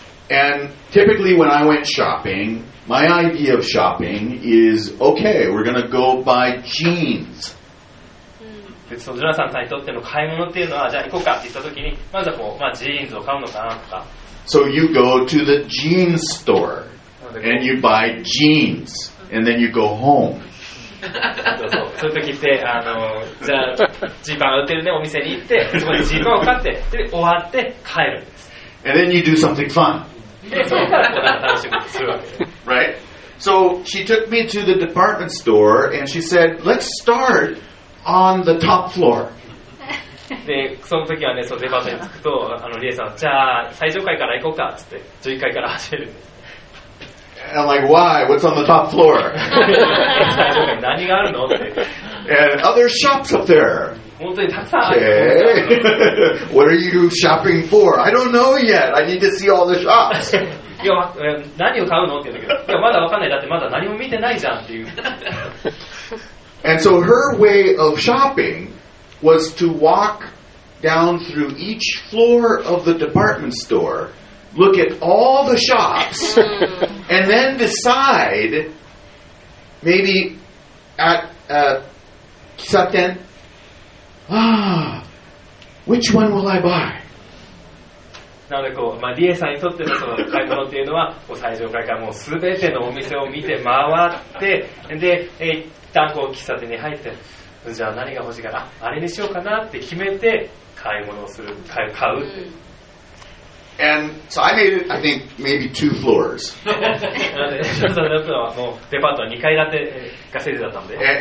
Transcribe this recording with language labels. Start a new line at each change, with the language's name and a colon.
English: And typically when I went shopping, my idea of shopping is, okay, we're going to go buy jeans.
Japanese: そのジョナサンさんにとっての買い物っていうのは、じゃあ行こうかって言ったときに、まずはこう、まあ、ジーンズを買うのかなとか。
English: So you go to the jeans store and you buy jeans and then you go home.
Japanese: そういうときって、じゃあジーパン売ってるね、お店に行って、そこでジーパンを買って、で終わって帰るんです。
English: And then you do something fun.
Japanese: で、そこからこう、なんか楽しいことするわけです。
English: Right? So she took me to the department store and she said, let's startOn the top floor.
Japanese: で、その時はね、そのデパートに着くと、あのリエさんは、じゃあ最上階から行こうかっつって、11階から走る。
English: And I'm like, why? What's on the top floor?
Japanese: 最上階何があるのって。
English: And other shops up there.
Japanese: 本当にたくさんある。
English: Okay. What are you shopping for? I don't know yet. I need to see all the shops.
Japanese: いや、何を買うのって言うんだけど、いや、まだわかんない。だってまだ何も見てないじゃんっていう。
English: And so her way of shopping was to walk down through each floor of the department store, look at all the shops, and then decide maybe at Kisaten, which one will I buy?
Japanese: なのでこう、まあ、リエさんにとってのその買い物っていうのはこう最上階からもう全てのお店を見て回ってで一旦こう喫茶店に入ってじゃあ何が欲しいかなあれにしようかなって決めて買い物をする買う
English: And so I made it I think maybe two floors
Japanese: なのでそれだったのはもうデパートは2階建てがせいぜいだったので